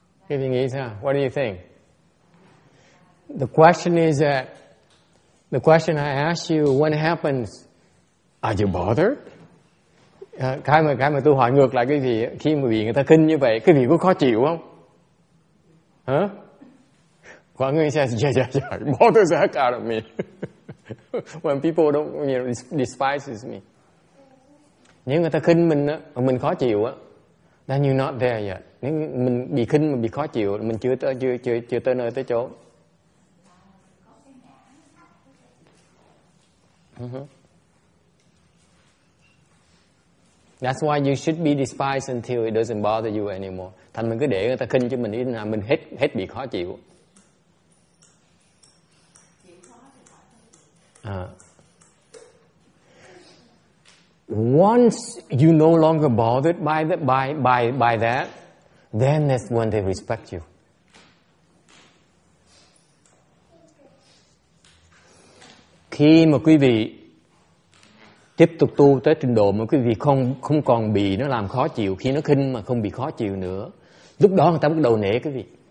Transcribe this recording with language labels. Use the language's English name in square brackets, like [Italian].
[English] Giving it, huh? What do you think? The question is that the question I ask you: when happens, are you bothered? [Vietnamese] Cái mà tôi hỏi ngược lại cái gì? Khi mà bị người ta khinh như vậy, cái gì có khó chịu không? Hả? [English] bothers the heck out of me. When people don't, you know, despises me. [Vietnamese] Nếu người ta khinh mình á, mình khó chịu á, [English] then you're not there yet. [Vietnamese] Nếu mình bị khinh mà bị khó chịu, mình chưa tới nơi tới chỗ. [English] That's why you should be despised until it doesn't bother you anymore. [Vietnamese] Thành mình cứ để người ta khinh cho mình ít nào, mình hết bị khó chịu. [English] Once you no longer bothered by that, then that's when they respect you. [Vietnamese] Khi mà quý vị tiếp tục tu tới trình độ mà quý vị không còn bị nó làm khó chịu, khi nó khinh mà không bị khó chịu nữa, lúc đó người ta bắt đầu nể quý vị.